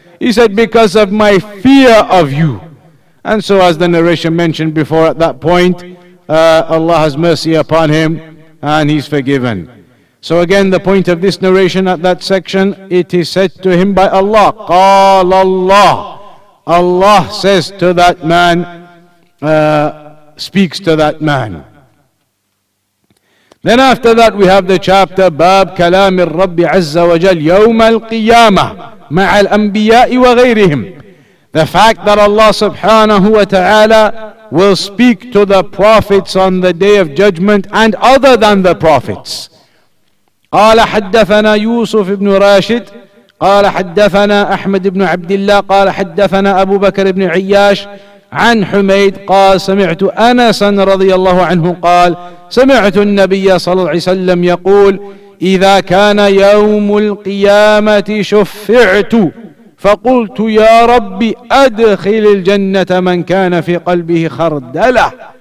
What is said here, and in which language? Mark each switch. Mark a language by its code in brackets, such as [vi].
[en] He said, because of my fear of you. And so, as the narration mentioned before, at that point, Allah has mercy upon him and he's forgiven. So again, the point of this narration at that section, it is said to him by Allah, [ar] قال الله. [en] Allah says to that man, speaks to that man. Then after that, we have the chapter, [ar] باب كلام الرب عز وجل يوم القيامة مع الأنبياء وغيرهم. [en] The fact that Allah subhanahu wa ta'ala will speak to the prophets on the day of judgment and other than the prophets. [ar] قال حدثنا يوسف بن راشد قال حدثنا أحمد بن عبد الله قال حدثنا أبو بكر بن عياش عن حميد قال سمعت أنسا رضي الله عنه قال سمعت النبي صلى الله عليه وسلم يقول إذا كان يوم القيامة شفعت فقلت يا ربي أدخل الجنة من كان في قلبه خردلة